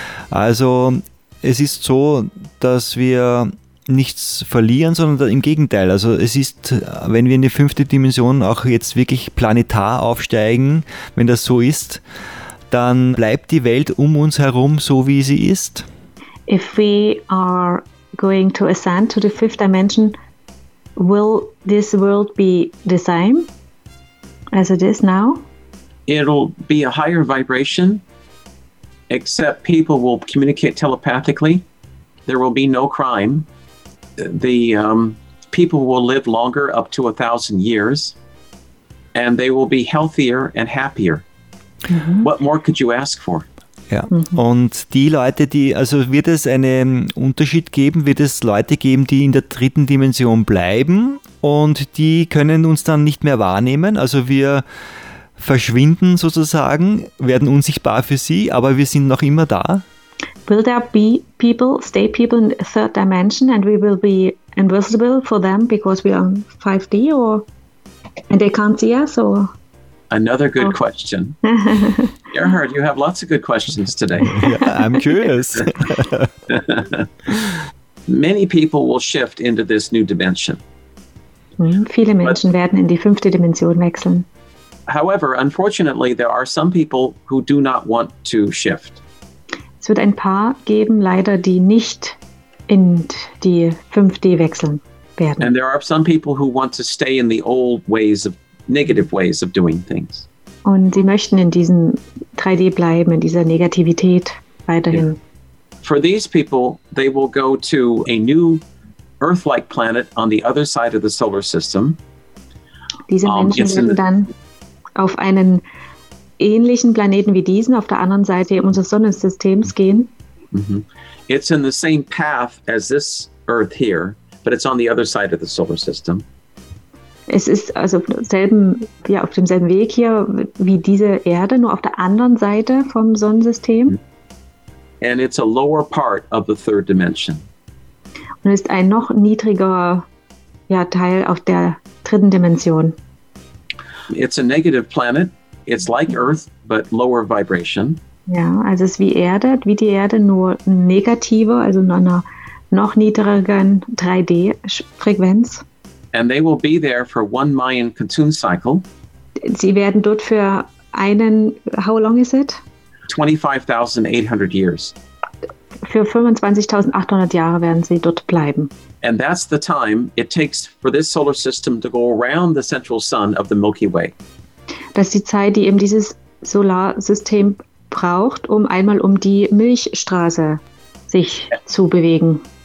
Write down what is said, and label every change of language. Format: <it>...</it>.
<de>Also es ist so, dass wir nichts verlieren, sondern im Gegenteil. Also es ist, wenn wir in die fünfte Dimension auch jetzt wirklich planetar aufsteigen, wenn das so ist, dann bleibt die Welt um uns herum so, wie sie ist.</de> <en>If we are going to ascend to the fifth dimension, will this world be the same as it is now? It'll be a higher vibration, except people will communicate telepathically. There will be no crime. The people will live longer, up to 1,000 years, and they will be healthier and happier. Mm-hmm. What more could you ask for?</en> <de>Ja, und die Leute, die, also wird es einen Unterschied geben? Wird es Leute geben, die in der dritten Dimension bleiben und die können uns dann nicht mehr wahrnehmen? Also wir verschwinden sozusagen, werden unsichtbar für sie, aber wir sind noch immer da.</de> <en>Will there be people, stay people in the third dimension and we will be invisible for them because we are in 5D or and they can't see us or? Another good question. Gerhard, you have lots of good questions today. Yeah, I'm curious. Many people will shift into this new dimension.</en> <de>Viele Menschen werden in die fünfte Dimension wechseln.</de> <en>However, unfortunately, there are some people who do not want to shift.</en> <de>Es wird ein paar geben, leider, die nicht in die 5D wechseln werden.</de> <en>And there are some people who want to stay in the old ways of negative ways of doing things.</en> <de>Und sie möchten in diesen 3D bleiben, in dieser Negativität weiterhin.</de> <en>Yeah. For these people, they will go to a new Earth-like planet on the other side of the solar system.</en> <de>Diese Menschen werden dann auf einen ähnlichen Planeten wie diesen auf der anderen Seite unseres Sonnensystems gehen. Mm-hmm.</de> <en>It's in the same path as this Earth here, but it's on the other side of the solar system.</en> <de>Es ist also auf demselben Weg hier wie diese Erde, nur auf der anderen Seite vom Sonnensystem.</de> <en>And it's a lower part of the third dimension.</en> <de>Und ist ein noch niedrigerer Teil auf der dritten Dimension.</de> <en>It's a negative planet. It's like Earth, but lower vibration.</en> <de>Ja, also es ist wie die Erde, nur negativer, also in einer noch niedrigeren 3D-Frequenz.</de> <en>And they will be there for one Mayan Kutun cycle.</en> <de>Sie werden dort für einen,</de> <en>how long is it? 25,800 years.</en> <de>Für 25,800 Jahre werden sie dort bleiben.</de> <en>And that's the time it takes for this solar system to go around the central sun of the Milky Way.</en> <de>Das ist die Zeit, die eben dieses Solarsystem braucht, um einmal um die Milchstraße sich zu bewegen.</de>